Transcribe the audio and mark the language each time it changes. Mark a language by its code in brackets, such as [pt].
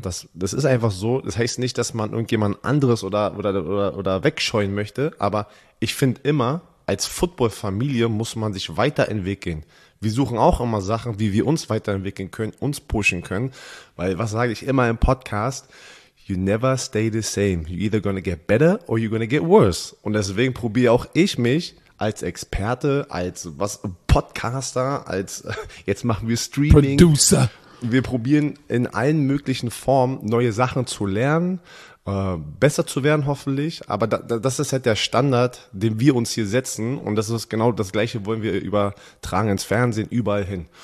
[de] Das ist einfach so. Das heißt nicht, dass man irgendjemand anderes oder wegscheuen möchte, aber ich finde immer, als Football-Familie muss man sich weiterentwickeln. Wir suchen auch immer Sachen, wie wir uns weiterentwickeln können, uns pushen können. Weil, was sage ich immer im Podcast? [en] You never stay the same. You're either gonna get better or you're gonna get worse. [de] Und deswegen probiere auch ich mich als Experte, als was Podcaster, als jetzt machen wir Streaming. Producer. Wir probieren in allen möglichen Formen neue Sachen zu lernen. Besser zu werden hoffentlich, aber das ist halt der Standard, den wir uns hier setzen und das ist genau das Gleiche, wollen wir übertragen ins Fernsehen, überall hin.